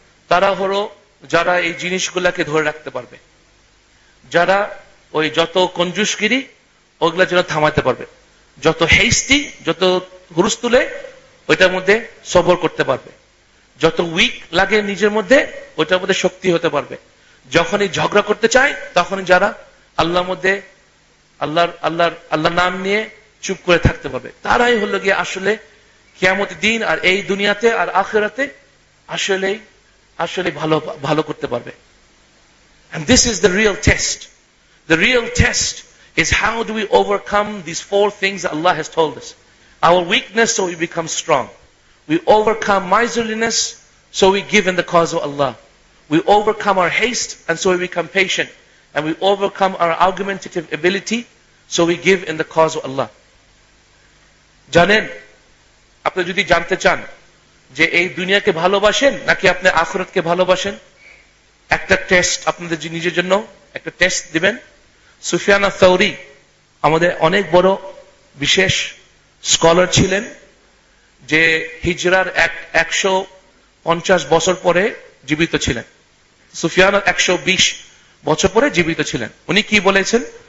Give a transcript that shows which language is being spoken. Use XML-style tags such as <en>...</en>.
<bn>তারা হলো যারা এই জিনিসগুলাকে ধরে রাখতে পারবে, যারা ওই যত কঞ্জুসগিরি ওগুলা যেন থামাতে পারবে, যত হেস্তি, যত হুরুস তুলে ওইটার মধ্যে সবর করতে পারবে, যত উইক লাগে নিজের মধ্যে ওইটার মধ্যে শক্তি হতে পারবে, যখনই ঝগড়া করতে চায় তখন যারা আল্লাহর মধ্যে আল্লাহর আল্লাহর আল্লাহর নাম নিয়ে চুপ করে থাকতে পারবে, তারাই হলো গিয়ে আসলে কিয়ামত দিন আর এই দুনিয়াতে আর আখেরাতে আসলেই আসলেই ভালো ভালো করতে পারবে।</bn> <en>And this is the real test. The real test is how do we overcome these four things that Allah has told us. Our weakness so we become strong. We overcome miserliness so we give in the cause of Allah. We overcome our haste and so we become patient. And we overcome our argumentative ability so we give in the cause of Allah.</en> <bn>Janen, apne jodi jante chan, je ei duniya ke bhalobashen naki apne akhirat ke bhalobashen, একটা test আপনাদের নিজের জন্য একটা test দিবেন। সুফিয়ান আস-সাউরি আমাদের অনেক বড় বিশেষ স্কলার ছিলেন, যে হিজরার 150 বছর পরে জীবিত ছিলেন। সুফিয়ান 120 বছর পরে জীবিত ছিলেন। উনি কি বলেছেন?</bn>